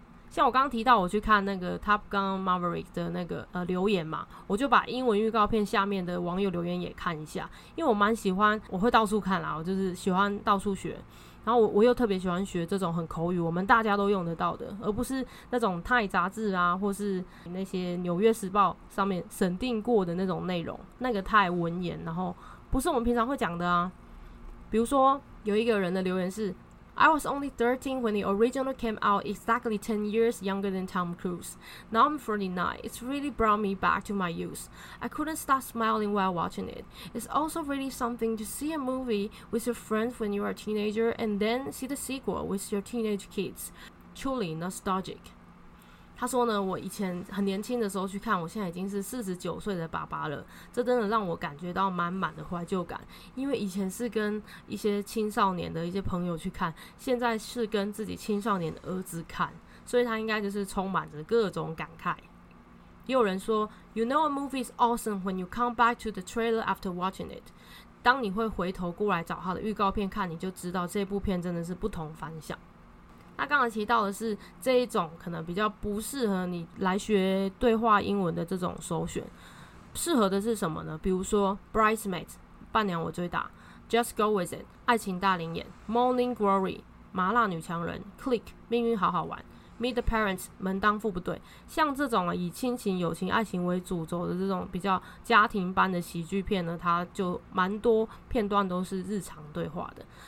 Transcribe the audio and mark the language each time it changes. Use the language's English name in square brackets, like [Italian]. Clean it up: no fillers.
[Chinese] 像我刚刚提到我去看那个 Top Gun Maverick 的那个留言嘛，我就把英文预告片下面的网友留言也看一下，因为我蛮喜欢，我会到处看啦，我就是喜欢到处学，然后我又特别喜欢学这种很口语，我们大家都用得到的，而不是那种泰杂志啊，或是那些纽约时报上面审定过的那种内容，那个太文言，然后不是我们平常会讲的啊。比如说有一个人的留言是 [English] I was only 13 when the original came out, exactly 10 years younger than Tom Cruise. Now I'm 49. It's really brought me back to my youth. I couldn't stop smiling while watching it. It's also really something to see a movie with your friends when you are a teenager and then see the sequel with your teenage kids. Truly nostalgic. [Chinese] 他说呢，我以前很年轻的时候去看，我现在已经是49岁的爸爸了，这真的让我感觉到满满的怀旧感，因为以前是跟一些青少年的一些朋友去看，现在是跟自己青少年的儿子看，所以他应该就是充满着各种感慨。也有人说 [English] You know a movie is awesome when you come back to the trailer after watching it. [Chinese] 当你会回头过来找他的预告片看，你就知道这部片真的是不同凡响。那刚才提到的是这一种可能比较不适合你来学对话英文的这种首选，适合的是什么呢？比如说 Bridesmaid 伴娘我最大， Just Go With It 爱情大灵眼， Morning Glory 麻辣女强人， Click 命运好好玩， Meet the Parents 门当户不对，像这种以亲情友情爱情为主轴的这种比较家庭般的喜剧片呢，它就蛮多片段都是日常对话的。